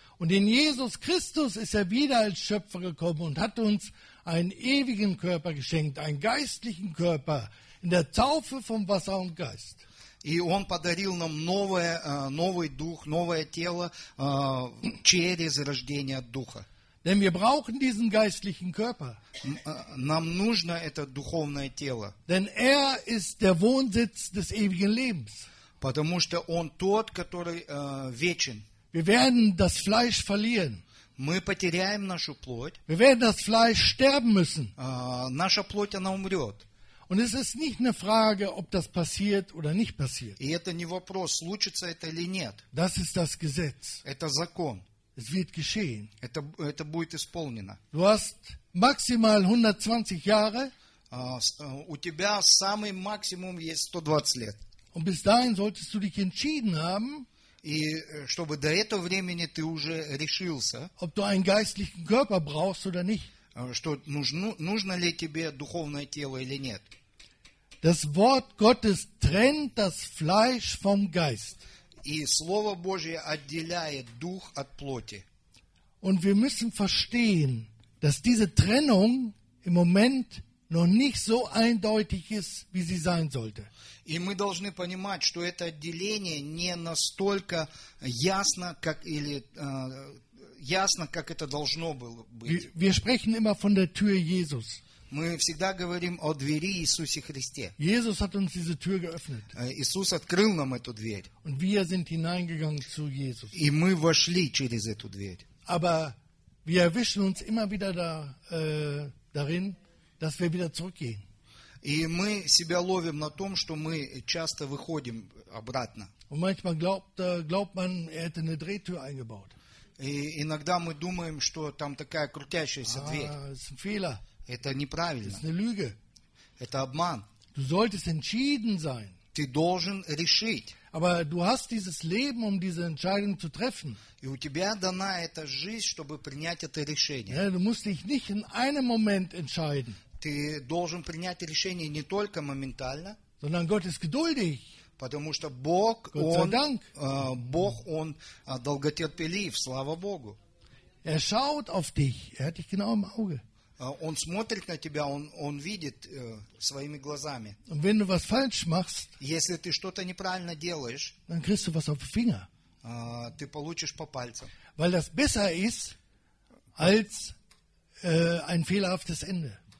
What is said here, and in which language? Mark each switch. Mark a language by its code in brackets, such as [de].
[de] Und in Jesus Christus ist er wieder als Schöpfer gekommen und hat uns einen ewigen Körper geschenkt, einen geistlichen Körper in der Taufe vom Wasser und Geist. [ru] И он подарил нам новый дух, новое тело через рождение духа. [de] Denn wir brauchen diesen geistlichen Körper. [ru] Нам нужно это духовное тело. [de] Denn er ist der Wohnsitz des ewigen Lebens. [ru] Потому что он тот, который вечен. [de] Wir werden das Fleisch verlieren. [ru] Мы потеряем нашу плоть. [de] Wir werden das Fleisch sterben müssen. [ru] Наша плоть, она умрет. [de] Und es ist nicht eine Frage, ob das passiert oder nicht passiert. [ru] И это не вопрос, случится это или нет. [de] Das ist das Gesetz. [ru] Это закон. [de] Es wird geschehen. [ru] Это будет исполнено. [de] Du hast maximal 120 Jahre. [ru] У тебя самый максимум есть 120 лет. [de] Und bis dahin solltest du dich entschieden haben. [ru] И чтобы до этого времени ты уже решился. [de] Ob du einen geistlichen Körper brauchst oder nicht. [ru] Что нужно ли тебе духовное тело или нет. [de] Das Wort Gottes trennt das Fleisch vom Geist. [ru] И Слово Божие отделяет дух от плоти. [de] Und wir müssen verstehen, dass diese Trennung im Moment noch nicht so eindeutig ist, wie sie sein sollte. [ru] И мы должны понимать, что это отделение не настолько ясно, как или ясно, как это должно было быть. [de] Wir sprechen immer von der Tür Jesus. [ru] Мы всегда говорим о двери Иисусе Христе. [de] Jesus hat uns diese Tür geöffnet. [ru] Иисус открыл нам эту дверь. [de] Und wir sind hineingegangen zu Jesus. [ru] И мы вошли через эту дверь. [de] Aber wir erwischen uns immer wieder da, darin, dass wir wieder zurückgehen. [ru] И мы себя ловим на том, что мы часто выходим обратно. [de] Und manchmal glaubt man, er hätte eine Drehtür eingebaut. [ru] И иногда мы думаем, что там такая крутящаяся дверь. [de] Ist ein Fehler. [ru] Это неправильно. [de] Ist eine Lüge. [ru] Это обман. [de] Du solltest entschieden sein. [ru] Ты должен решить. [de] Aber du hast dieses Leben, um diese Entscheidung zu treffen. [ru] И у тебя дана эта жизнь, чтобы принять это решение. [de] Ja, du musst dich nicht in einem Moment entscheiden. [ru] Ты должен принять решение не только моментально, [de] sondern Gott ist geduldig. [ru] Потому что Бог, Бог, Он долготерпелив, слава Богу. [de] Er schaut auf dich, er hat dich genau im Auge. [ru] Он смотрит на тебя, он видит своими глазами. [de] Und wenn du was falsch machst, [ru] если ты что-то неправильно делаешь, [de] dann kriegst du was auf Finger. [ru] Ты получишь по пальцам. [de] Weil das besser ist, als ein fehlerhaftes Ende.